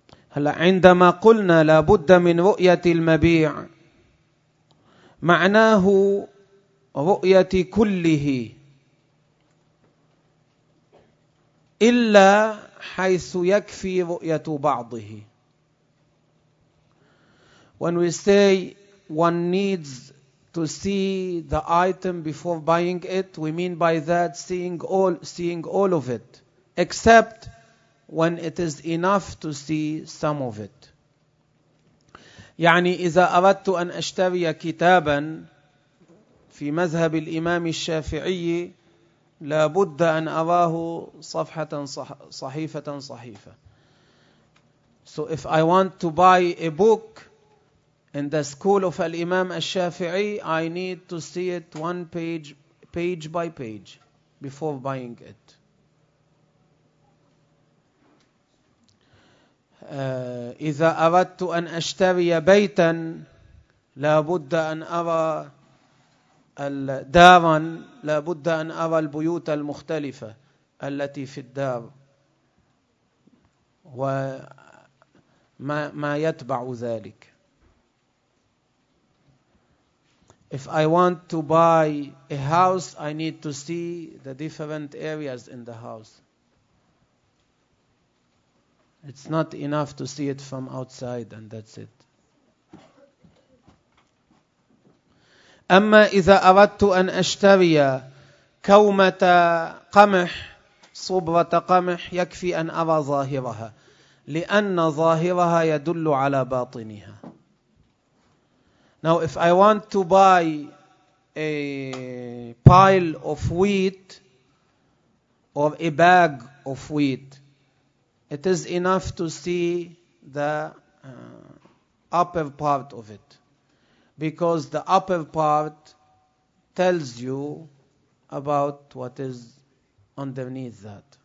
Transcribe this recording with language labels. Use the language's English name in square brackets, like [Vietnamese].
[Arabic] هلا عندما قلنا لابد من رؤية المبيع معناه رؤية كله إلا حيث يكفي رؤية بعضه. [English] When we say one needs to see the item before buying it, we mean by that seeing all of it, except when it is enough to see some of it. [Arabic] يعني إذا أردت أن أشتري كتابا في مذهب الإمام الشافعي لابد أن أراه صفحة صحيفة صحيفة. [English] So if I want to buy a book in the school of Al-Imam Al-Shafi'i, I need to see it one page by page before buying it. [Arabic] إذا أردت أن أشتري بيتا لابد أن أرى دارا، لابد أن أرى البيوت المختلفة التي في الدار وما يتبع ذلك. [English] If I want to buy a house, I need to see the different areas in the house. It's not enough to see it from outside and that's it. [Arabic] أما إذا أردت أن أشتري كومة قمح، صبرة قمح، يكفي أن أرى ظاهرها، لأن ظاهرها يدل على باطنها. [English] Now, if I want to buy a pile of wheat or a bag of wheat. It is enough to see the upper part of it, because the upper part tells you about what is underneath that.